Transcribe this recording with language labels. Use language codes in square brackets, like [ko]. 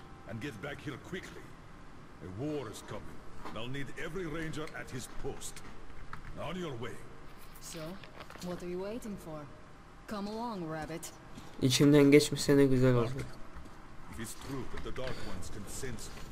[en] And get back here quickly. A war is coming. I'll need every ranger at his post. On your way. So, what are you waiting for? Come along, rabbit. [tr] İçimden geçmişse ne güzel oldu. [en] If it's true that the Dark Ones can sense.